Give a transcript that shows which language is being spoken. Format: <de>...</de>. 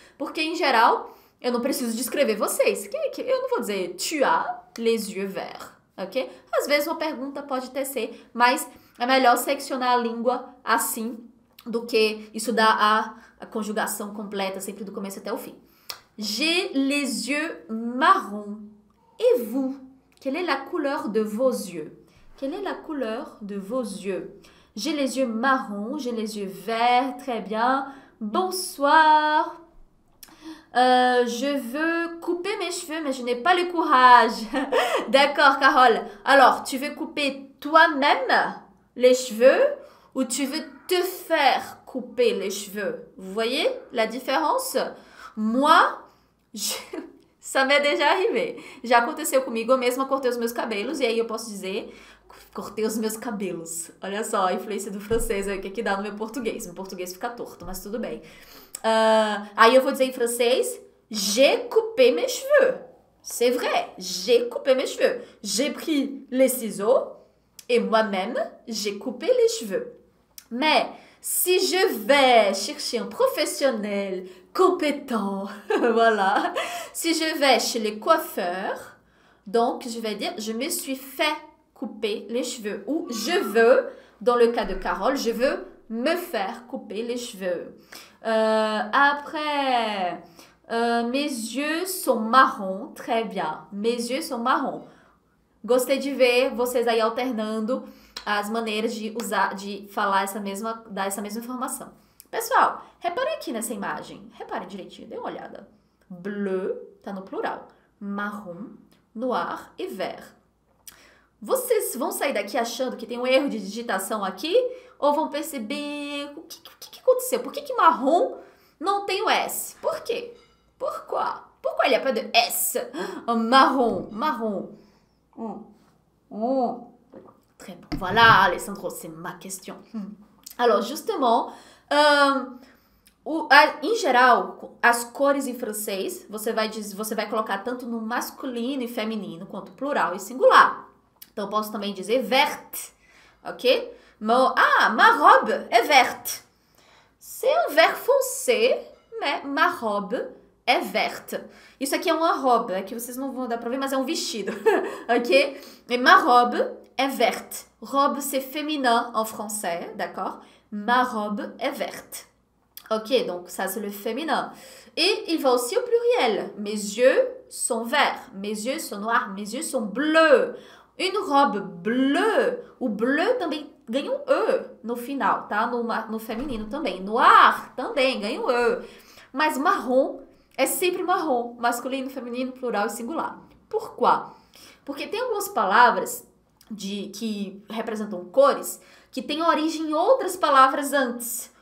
<pt>Porque, em geral, eu não preciso descrever vocês. Eu não vou dizer</pt> <fr>tu as les yeux verts,</fr> <pt>ok? Às vezes, uma pergunta pode tecer, mas é melhor seccionar a língua assim do que estudar a conjugação completa sempre do começo até o fim.</pt> <fr>J'ai les yeux marrons. Et vous? Quelle est la couleur de vos yeux? Quelle est la couleur de vos yeux? J'ai les yeux marrons, j'ai les yeux verts, très bien. Bonsoir. Je veux couper mes cheveux, mais je n'ai pas le courage. D'accord, Carole. Alors, tu veux couper toi-même les cheveux ou tu veux te faire couper les cheveux? Vous voyez la différence? Moi, ça m'est déjà arrivé.</fr> <pt>Já aconteceu comigo, eu mesma cortei os meus cabelos e aí eu posso dizer. Cortei os meus cabelos. Olha só a influência do francês aí, o que que dá no meu português. Meu português fica torto, mas tudo bem. Aí eu vou dizer em francês:</pt> <fr>J'ai coupé mes cheveux. C'est vrai, j'ai coupé mes cheveux. J'ai pris les ciseaux et moi-même, j'ai coupé les cheveux. Mais si je vais chercher un professionnel compétent, voilà, si je vais chez les coiffeurs, donc je vais dire: Je me suis fait couper les cheveux ou je veux, dans le cas de Carole, je veux me faire couper les cheveux. Après, mes yeux sont marrons, très bien, mes yeux sont marrons.</fr> <pt>Gostei de ver vocês aí alternando as maneiras de usar, de falar essa mesma, dar essa mesma informação. Pessoal, reparem aqui nessa imagem, reparem direitinho, dê uma olhada. Bleu, tá no plural, marrom, noir e vert. Vocês vão sair daqui achando que tem um erro de digitação aqui? Ou vão perceber o que aconteceu? Por que que marrom não tem o S? Por quê? Por quê? Por qual é a pedra S? Marrom, marrom.</pt> <fr>Très bon. Voilà, Alessandro, c'est ma question. Alors, justement,</fr> <pt>em geral, as cores em francês, você vai colocar tanto no masculino e feminino, quanto plural e singular. Então, posso também dizer verte, ok? Ma robe é verte.</pt> <fr>C'est un vert foncé, mais ma robe é verte.</fr> <pt>Isso aqui é uma robe, é que vocês não vão dar pra ver, mas é um vestido, ok?</pt> <fr>Et ma robe é verte. Robe, c'est féminin en français, d'accord? Ma robe é verte. Ok, donc ça, c'est le féminin. Et il va aussi au pluriel. Mes yeux sont verts, mes yeux sont noirs, mes yeux sont bleus. Une robe bleue,</fr> <pt>o bleu também ganha um E no final, tá? No feminino também. Noir também ganha um E. Mas marrom é sempre marrom, masculino, feminino, plural e singular. Por quê? Porque tem algumas palavras que representam cores que têm origem em outras palavras antes.</pt>